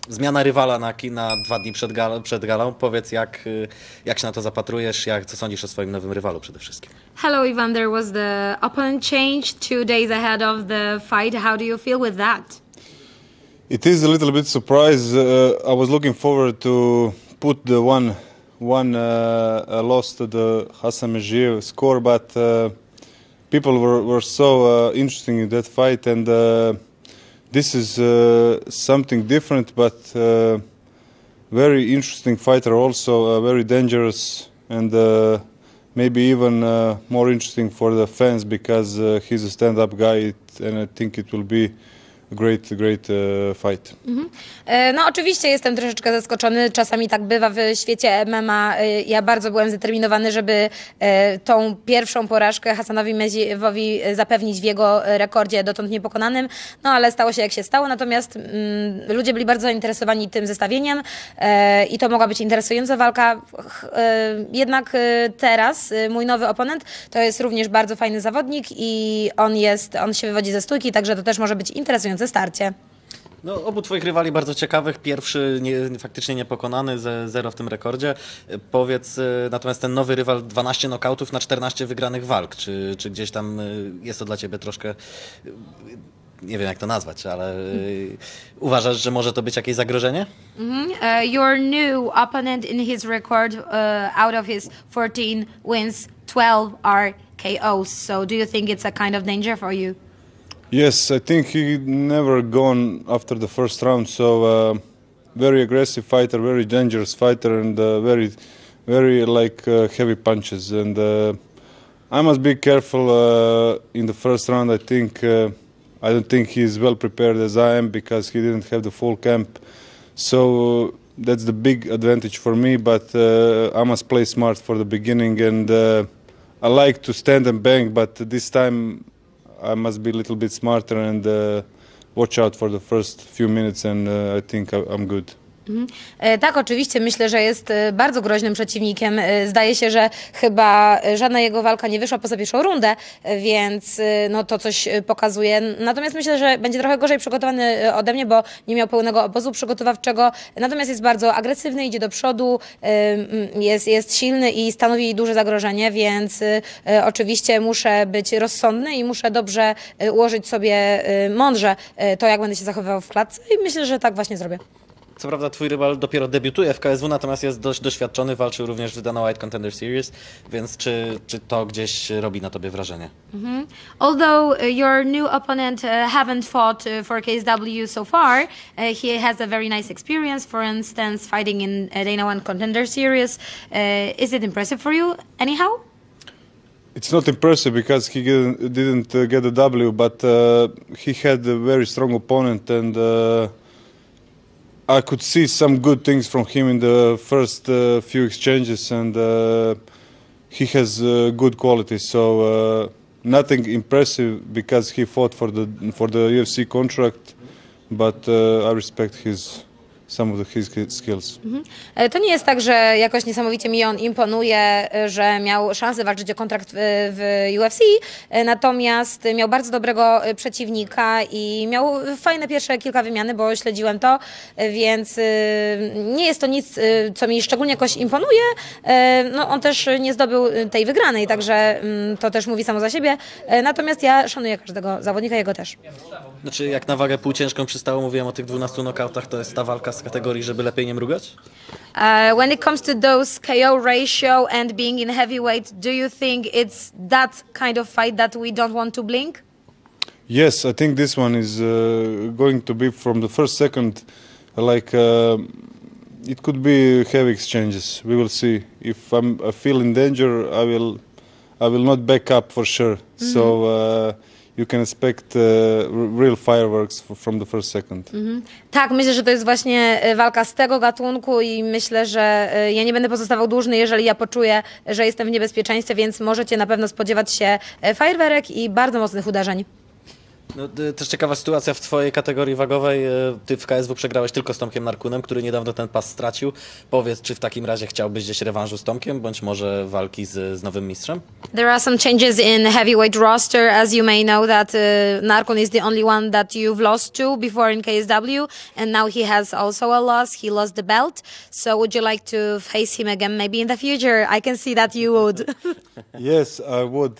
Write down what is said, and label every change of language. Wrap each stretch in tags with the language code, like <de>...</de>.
<pl>Zmiana rywala na dwa dni przed galą. Powiedz, jak się na to zapatrujesz, co sądzisz o swoim nowym rywalu przede wszystkim?</pl> <en>Hello, Ivan. There was the opponent change 2 days ahead of the fight. How do you feel with that? It is a little bit surprise. I was looking forward to put the one loss to the Hassan Mejir score, but people were so interesting in that fight, and this is something different, but very interesting fighter also, very dangerous, and maybe even more interesting for the fans because he's a stand-up guy, and I think it will be great fight. Mm-hmm.</en> <pl>No oczywiście jestem troszeczkę zaskoczony, czasami tak bywa w świecie MMA. Ja bardzo byłem zdeterminowany, żeby tą pierwszą porażkę Hasanowi Mejirowi zapewnić w jego rekordzie dotąd niepokonanym, no ale stało się jak się stało, natomiast ludzie byli bardzo zainteresowani tym zestawieniem i to mogła być interesująca walka. Jednak teraz mój nowy oponent to jest również bardzo fajny zawodnik i on się wywodzi ze stójki, także to też może być interesujące. Interesujące starcie. No, obu twoich rywali bardzo ciekawych. Pierwszy faktycznie niepokonany, zero w tym rekordzie. Powiedz, natomiast ten nowy rywal, 12 nokautów na 14 wygranych walk. Czy gdzieś tam jest to dla ciebie troszkę, nie wiem jak to nazwać, ale uważasz, że może to być jakieś zagrożenie? Mm-hmm.</pl> <en>Your new opponent in his record out of his 14 wins, 12 are KOs. So do you think it's a kind of danger for you? Yes, I think he never gone after the first round, so very aggressive fighter, very dangerous fighter, and very, very like heavy punches, and I must be careful in the first round. I think, I don't think he's well prepared as I am, because he didn't have the full camp, so that's the big advantage for me, but I must play smart for the beginning, and I like to stand and bang, but this time I must be a little bit smarter and watch out for the first few minutes, and I think I'm good. Mm-hmm.</en> <pl>Tak, oczywiście, myślę, że jest bardzo groźnym przeciwnikiem. Zdaje się, że chyba żadna jego walka nie wyszła poza pierwszą rundę, więc no, to coś pokazuje. Natomiast myślę, że będzie trochę gorzej przygotowany ode mnie, bo nie miał pełnego obozu przygotowawczego. Natomiast jest bardzo agresywny, idzie do przodu, jest silny i stanowi duże zagrożenie, więc oczywiście muszę być rozsądny i muszę dobrze ułożyć sobie mądrze to, jak będę się zachowywał w klatce, i myślę, że tak właśnie zrobię. Co prawda twój rywal dopiero debiutuje w KSW, natomiast jest dość doświadczony, walczył również w Dana White Contender Series, więc czy to gdzieś robi na tobie wrażenie? Mm-hmm.</pl> <en>Although your new opponent haven't fought for KSW so far, he has a very nice experience, for instance, fighting in Dana White Contender Series. Is it impressive for you anyhow? It's not impressive because he didn't get a W, but he had a very strong opponent, and I could see some good things from him in the first few exchanges, and he has good quality. So nothing impressive because he fought for the UFC contract, but I respect some of his skills. Mm-hmm.</en> <pl>To nie jest tak, że jakoś niesamowicie mi on imponuje, że miał szansę walczyć o kontrakt w UFC, natomiast miał bardzo dobrego przeciwnika i miał fajne pierwsze kilka wymiany, bo śledziłem to, więc nie jest to nic, co mi szczególnie jakoś imponuje. No, on też nie zdobył tej wygranej, także to też mówi samo za siebie. Natomiast ja szanuję każdego zawodnika, jego też. Znaczy, jak na wagę półciężką przystało, mówiłem o tych 12 nokautach, to jest ta walka z kategorii, żeby lepiej nie mrugać?</pl> <en>When it comes to those KO ratio and being in heavyweight, do you think it's that kind of fight that we don't want to blink? Yes, I think this one is going to be from the first second, like it could be heavy exchanges. We will see. If I'm I feel in danger, I will not back up for sure. Mm-hmm. So you can expect real fireworks from the first second. Mm-hmm.</en> <pl>Tak, myślę, że to jest właśnie walka z tego gatunku i myślę, że ja nie będę pozostawał dłużny, jeżeli ja poczuję, że jestem w niebezpieczeństwie, więc możecie na pewno spodziewać się fajerwerek i bardzo mocnych uderzeń. No, też ciekawa sytuacja w twojej kategorii wagowej. Ty w KSW przegrałeś tylko z Tomkiem Narkunem, który niedawno ten pas stracił. Powiedz, czy w takim razie chciałbyś gdzieś rewanżu z Tomkiem, bądź może walki z nowym mistrzem?</pl> <en>There are some changes in heavyweight roster. As you may know, that Narkun is the only one that you've lost to before in KSW. And now he has also a loss. He lost the belt. So would you like to face him again maybe in the future? I can see that you would. Yes, I would.</en>